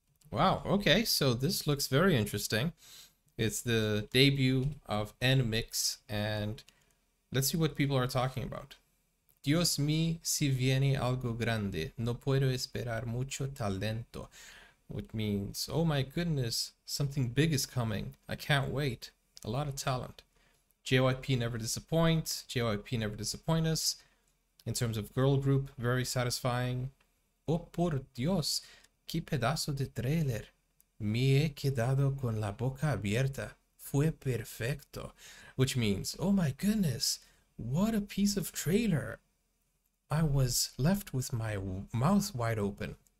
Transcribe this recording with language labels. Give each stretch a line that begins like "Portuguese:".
English: Wow, okay, so this looks very interesting. It's the debut of NMIXX, and let's see what people are talking about.
Spanish: Dios mío, si viene algo grande, no puedo esperar mucho talento.
English: Which means, oh my goodness, something big is coming. I can't wait. A lot of talent. JYP never disappoints. JYP never disappoint us. In terms of girl group, very satisfying.
Spanish: Oh por Dios, qué pedazo de trailer. Me he quedado con la boca abierta. Fue perfecto.
English: Which means, oh my goodness, what a piece of trailer. I was left with my mouth wide open.